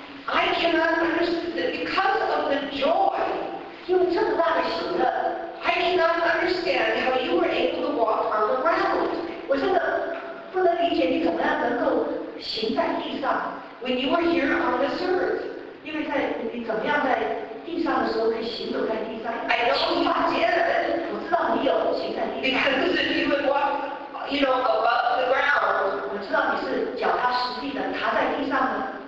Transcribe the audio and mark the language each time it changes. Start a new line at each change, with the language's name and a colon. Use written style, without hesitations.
English: I cannot understand that because of the joy. I cannot understand how you were able to walk on the ground.
Chinese: 我真的不能理解你怎么样能够行在地上。
English: When you were here on this earth,
Chinese: 因为在你怎么样在地上的时候可以行走在地上。
English: I know you did.
Chinese: 我知道你有行在地上。
English: Because if you would walk, you know, above the ground,
Chinese: 我知道你是脚踏实地的踏在地上的。